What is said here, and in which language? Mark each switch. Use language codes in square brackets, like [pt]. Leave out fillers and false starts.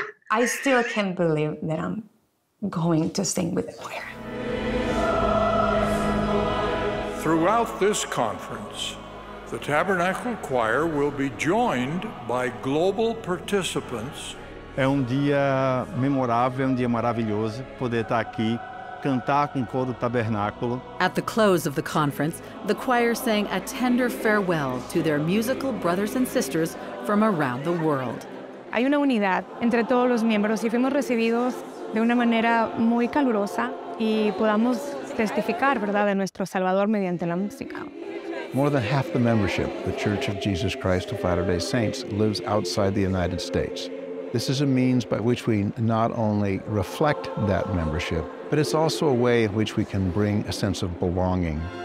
[en] I still can't believe that I'm going to sing with the choir. Throughout this conference, the Tabernacle Choir will be joined by global participants. [pt] É um dia memorável, é um dia maravilhoso poder estar aqui, cantar com o coro do Tabernáculo. [en] At the close of the conference, the choir sang a tender farewell to their musical brothers and sisters from around the world. [es] Hay una unidad entre todos los miembros y fuimos recibidos de una manera muy calurosa y podamos testificar, ¿verdad?, de nuestro Salvador mediante la música. [en] More than half the membership, the Church of Jesus Christ of Latter-day Saints, lives outside the United States. This is a means by which we not only reflect that membership, but it's also a way in which we can bring a sense of belonging.